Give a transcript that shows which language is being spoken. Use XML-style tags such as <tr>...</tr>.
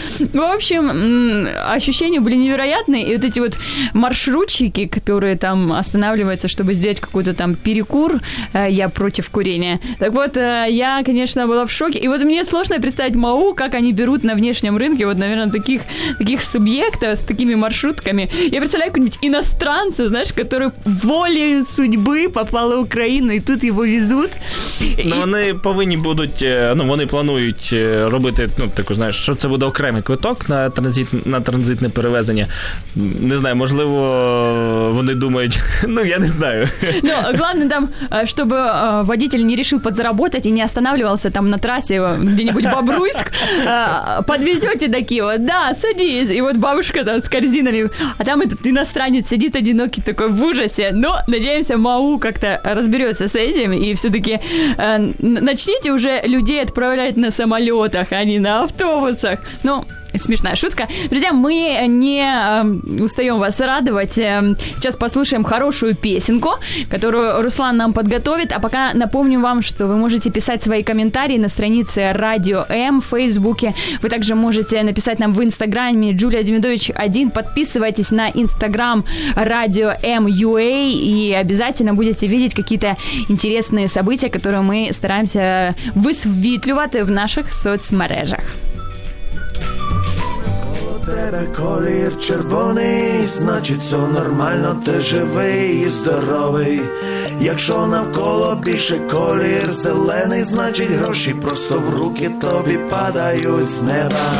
<ru>В общем, ощущения были невероятные, и вот эти вот маршрутчики, которые там останавливаются, чтобы сделать какой-то там перекур, я против курения. Так вот, я, конечно, была в шоке. И вот мне сложно представить МАУ, как они берут на внешнем рынке вот, наверное, таких субъектов с такими маршрутками. Я представляю какого-нибудь иностранца, знаешь, который волею судьбы попал в Украину, и тут его везут.</ru> <uk>Вони повинні будуть, вони планують робити, що це буде окремий квиток на транзитне перевезення. Не знаю, можливо, вони думають, я не знаю. Ну, головне там, щоб водитель не рішив підзаработати і не останавливався там на трасі где-нибудь Бобруйск,</uk> <ru>подвезете до Киева, да, садись. И вот бабушка там с корзинами, а там этот иностранец сидит одинокий такой в ужасе. Но, надеемся, МАУ как-то разберется с этим и все-таки начните уже людей отправлять на самолетах, а не на автобусах. Ну, смешная шутка. Друзья, мы не устаем вас радовать. Сейчас послушаем хорошую песенку, которую Руслан нам подготовит. А пока напомню вам, что вы можете писать свои комментарии на странице Радио М в Фейсбуке. Вы также можете написать нам в Инстаграме Джулия Демидович 1. Подписывайтесь на Инстаграм Радио М UA и обязательно будете видеть какие-то интересные события, которые мы стараемся высветливать в наших соцмережах.</ru> <uk>Тебе колір червоний, значить, все нормально, ти живий і здоровий. Якщо навколо більше колір зелений, значить, гроші просто в руки тобі падають з неба.</uk>